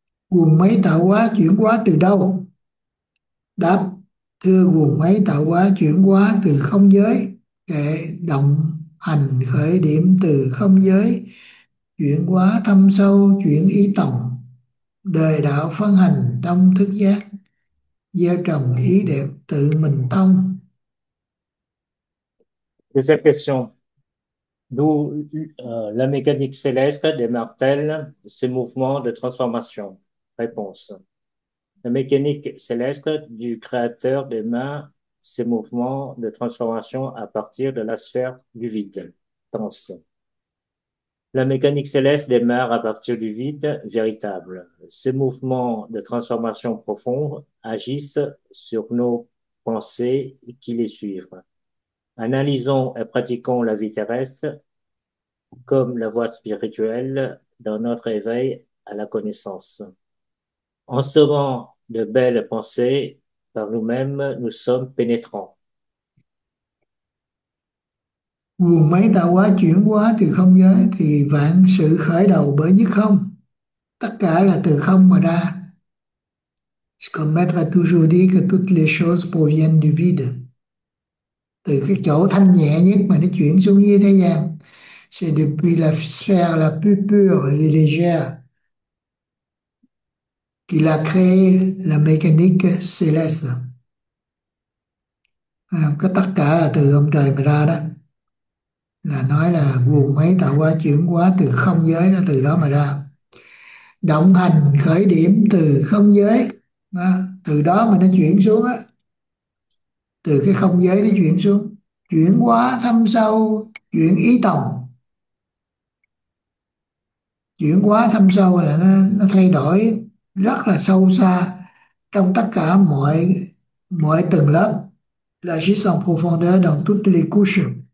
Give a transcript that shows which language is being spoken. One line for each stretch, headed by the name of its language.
Vietnamese: Nguồn máy tạo hóa chuyển hóa từ đâu? Đáp, thưa nguồn máy tạo hóa chuyển hóa từ không giới, kệ động hành khởi điểm từ không giới, chuyển hóa thâm sâu, chuyển ý tổng, đời đạo phân hành trong thức giác, gieo trồng ý đẹp tự mình thông.
French: Deuxième question. D'où la mécanique céleste démarre-t-elle ce mouvement de transformation? Réponse. La mécanique céleste du Créateur démarre ce mouvement de transformation à partir de la sphère du vide. Pense. La mécanique céleste démarre à partir du vide véritable. Ces mouvements de transformation profonde agissent sur nos pensées qui les suivent. Analysons et pratiquons la vie terrestre comme la voie spirituelle dans notre éveil à la connaissance. En semant de belles pensées par nous-mêmes, nous sommes pénétrants.
Vietnamese: Nguồn máy tạo hóa chuyển hóa từ không giới thì vạn sự khởi đầu bởi nhất không. Tất cả là từ không mà ra.
French: Comme maître a toujours dit que toutes les choses proviennent du vide.
Vietnamese: Từ cái chỗ thanh nhẹ nhất mà nó chuyển xuống dưới thế gian.
French: C'est depuis la sphère la plus pure et légère qu'il a créé la mécanique céleste.
Vietnamese: À, cái tất cả là từ ông trời mà ra đó, là nói là guồng máy tạo hóa chuyển hóa từ không giới, nó từ đó mà ra động hành khởi điểm từ không giới đó. Từ đó mà nó chuyển xuống á, từ cái không giới nó chuyển xuống, chuyển hóa thâm sâu, chuyển ý tổng, chuyển hóa thâm sâu là nó thay đổi rất là sâu xa trong tất cả mọi mọi tầng lớp.
French: La gestion profondeur dans toutes les couches.